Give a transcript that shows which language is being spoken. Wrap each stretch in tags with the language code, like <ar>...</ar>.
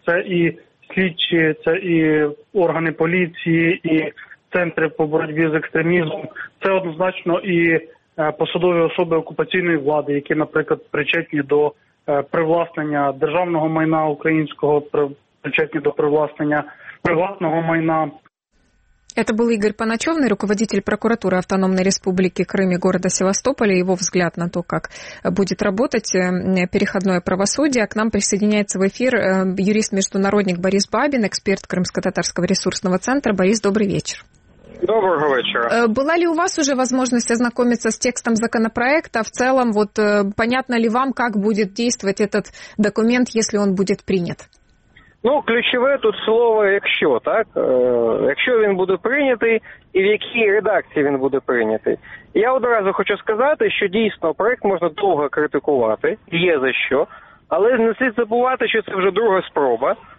<uk>Це і слідчі, це і органи поліції, і центри по боротьбі з екстремізмом. Це однозначно і посадові особи окупаційної влади, які, наприклад, причетні до привласнення державного майна українського, причетні до привласнення приватного майна.</uk> <ru>Это был Игорь Паначевный, руководитель прокуратуры Автономной Республики Крым и города Севастополя. Его взгляд на то, как будет работать переходное правосудие. К нам присоединяется в эфир юрист-международник Борис Бабин, эксперт Крымско-Татарского ресурсного центра. Борис, добрый вечер.</ru> <uk>Доброго вечора.</uk> <ru>Была ли у вас уже возможность ознакомиться с текстом законопроекта? В целом, вот понятно ли вам, как будет действовать этот документ, если он будет принят?</ru> <uk>Ну, ключове тут слово «якщо», так? Якщо він буде прийнятий і в якій редакції він буде прийнятий. Я одразу хочу сказати, що дійсно проект можна довго критикувати, є за що, але не слід забувати, що це вже друга спроба.</uk>